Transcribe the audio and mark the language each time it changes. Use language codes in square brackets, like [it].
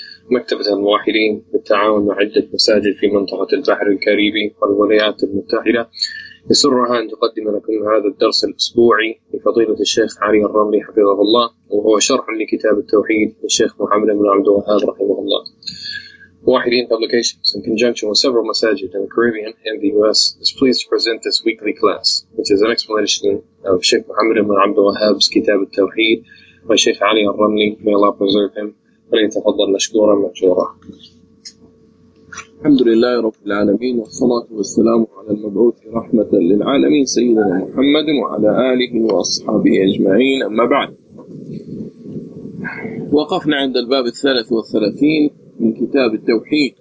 [ar] مكتبة الموحدين بالتعاون مع عدة مساجد في منطقة البحر الكاريبي والولايات المتحدة يسرها أن تقدم لكم هذا الدرس الأسبوعي لفضيلة الشيخ علي الرملي حفظه الله، وهو شرح لكتاب التوحيد للشيخ محمد بن عبد الوهاب رحمه الله. [en] Wahidin Publications, in conjunction with several masajid in the Caribbean and the U.S., is pleased to present this weekly class, which is an explanation of Sheikh Muhammad ibn Abdul Wahhab's Kitab al-Tawheed by Sheikh Ali al-Ramli. May Allah preserve him. [ar] وليتفضل مشكورا مشورا. الحمد لله رب العالمين والصلاة والسلام على المبعوث رحمة للعالمين سيدنا محمد وعلى آله وأصحابه أجمعين. أما بعد، وقفنا عند الباب 33 من كتاب التوحيد.